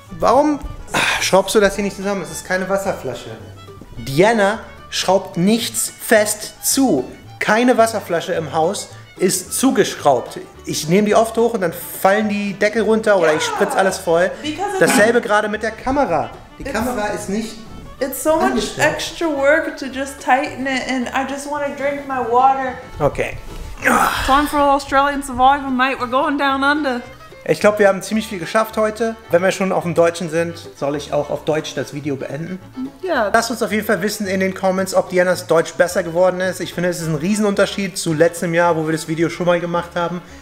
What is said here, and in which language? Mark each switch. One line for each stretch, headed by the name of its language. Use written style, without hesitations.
German: Warum schraubst du das hier nicht zusammen? Es ist keine Wasserflasche. Diana schraubt nichts fest zu. Keine Wasserflasche im Haus ist zugeschraubt. Ich nehme die oft hoch und dann fallen die Deckel runter oder ich spritze alles voll. Dasselbe gerade mit der Kamera. Die Kamera ist nicht.
English: It's so much extra work to just tighten it and I just want to drink my water. Okay. Time for Australian Survivor, mate. We're going down under.
German: Ich glaube, wir haben ziemlich viel geschafft heute. Wenn wir schon auf dem Deutschen sind, soll ich auch auf Deutsch das Video beenden? Ja.
English: Yeah.
German: Lasst uns auf jeden Fall wissen in den Comments, ob Dianas Deutsch besser geworden ist. Ich finde, es ist ein Riesenunterschied zu letztem Jahr, wo wir das Video schon mal gemacht haben.